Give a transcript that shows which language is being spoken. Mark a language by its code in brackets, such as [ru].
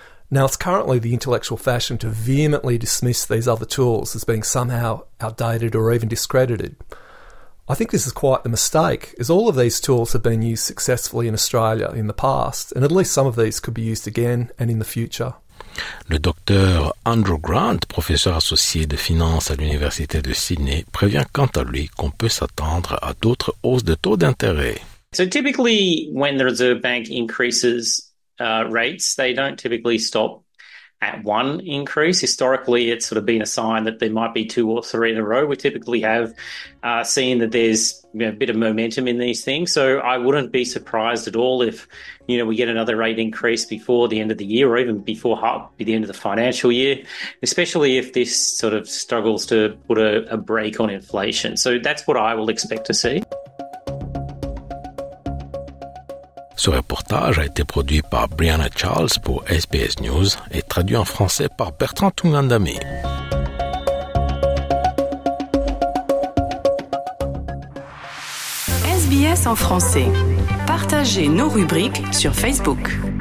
[en] Now, it's currently the intellectual fashion to vehemently dismiss these other tools as being somehow outdated or even discredited. I think this is quite the mistake, as all of these tools have been used successfully in Australia in the past, and at least some of these could be used again and in the future. [fr] Le docteur Andrew Grant, professeur associé de finance à l'Université de Sydney, prévient quant à lui qu'on peut s'attendre à d'autres hausses de taux d'intérêt. [en] So typically, when the Reserve Bank increases rates, they don't typically stop at one increase. Historically, it's sort of been a sign that there might be two or three in a row. We typically have seen that there's, you know, a bit of momentum in these things. So I wouldn't be surprised at all if, you know, we get another rate increase before the end of the year or even before the end of the financial year, especially if this sort of struggles to put a brake on inflation. So that's what I will expect to see. [fr] Ce reportage a été produit par Brianna Charles pour SBS News et traduit en français par Bertrand Tungandami. SBS en français. Partagez nos rubriques sur Facebook.